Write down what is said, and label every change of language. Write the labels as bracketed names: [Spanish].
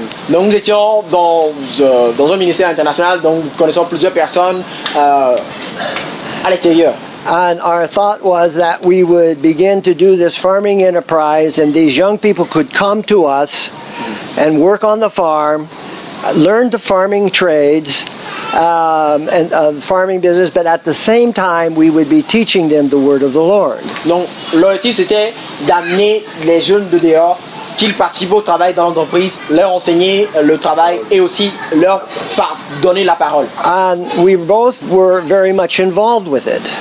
[French] Donc, nous étions dans un ministère international, donc nous connaissons plusieurs personnes à l'extérieur. [English] And our thought was that we would begin to do this farming enterprise and these young people could come to us and work on the farm, learn the farming trades, and the farming business, but at the same time we would be teaching them the word of the Lord. [French] Donc, l'objectif c'était d'amener les jeunes de dehors qu'ils participent au travail dans l'entreprise, leur enseigner le travail et aussi leur donner la parole. [English] And we both were very much involved with it.